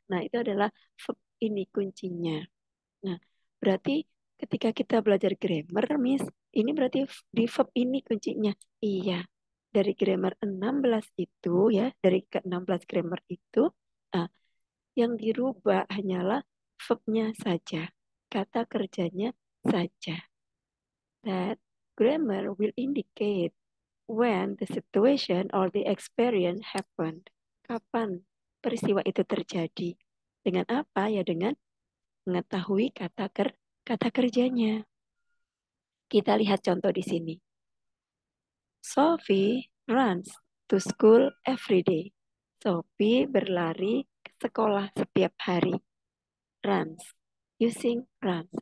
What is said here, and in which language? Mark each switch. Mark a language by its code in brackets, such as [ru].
[id] Nah, itu adalah verb ini kuncinya. Nah, berarti ketika kita belajar grammar, Miss, ini berarti di verb ini kuncinya. Iya, dari grammar 16 itu ya, dari ke-16 grammar itu, yang dirubah hanyalah verbnya saja, kata kerjanya saja. [en] That grammar will indicate when the situation or the experience happened. [id] Kapan peristiwa itu terjadi? Dengan apa? Ya dengan mengetahui kata kerjanya. Kita lihat contoh di sini. [en] Sophie runs to school every day. [id] Sophie berlari ke sekolah setiap hari. [en] Runs. Using runs.